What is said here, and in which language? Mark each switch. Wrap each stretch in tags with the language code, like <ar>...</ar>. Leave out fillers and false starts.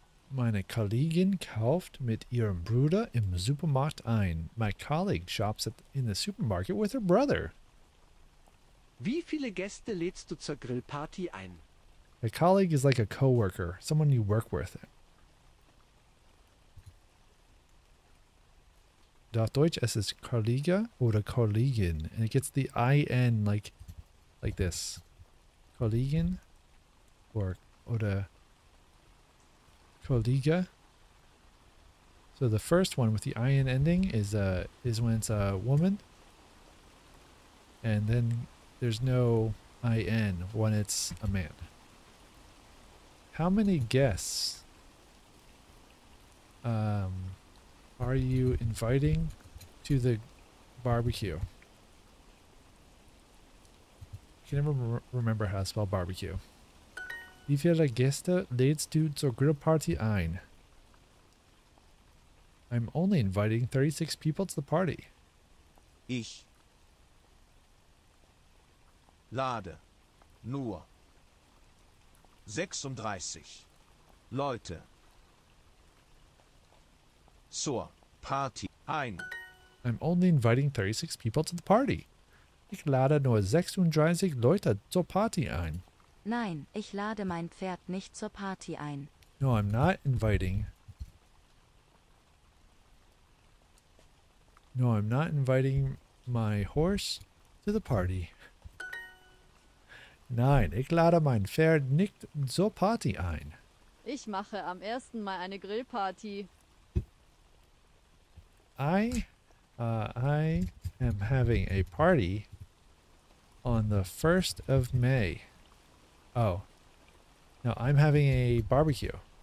<de>Meine Kollegin kauft mit ihrem Bruder im Supermarkt ein.</de> <en>My colleague shops in the supermarket with her brother.</en> <de>Wie viele Gäste lädst du zur Grillparty ein?</de> <en>A colleague is like a coworker, someone you work with.</en> <de>Auf Deutsch es ist Kollege oder Kollegin,</de> <en>and it gets the I-N like this.</en> <de>Kollegin oder Kollege.</de> <en>So the first one with the IN ending is when it's a woman. And then there's no IN when it's a man. How many guests are you inviting to the barbecue? I can never remember how to spell barbecue.</en> <de>Wie viele Gäste lädst du zur Grillparty ein?</de> <en>I'm only inviting 36 people to the party.</en> <de>Ich lade nur 36 Leute zur Party ein.</de> <en>I'm only inviting 36 people to the party.</en> <de>Ich lade nur 36 Leute zur Party ein. Nein, ich lade mein Pferd nicht zur Party ein.</de> <en>No, I'm not inviting. No, I'm not inviting my horse to the party.</en> <de>Nein, ich lade mein Pferd nicht zur Party ein. Ich mache am 1. Mai eine Grillparty.</de> <en>I am having a party on the 1st of May. Oh. No, I'm having a barbecue.</en>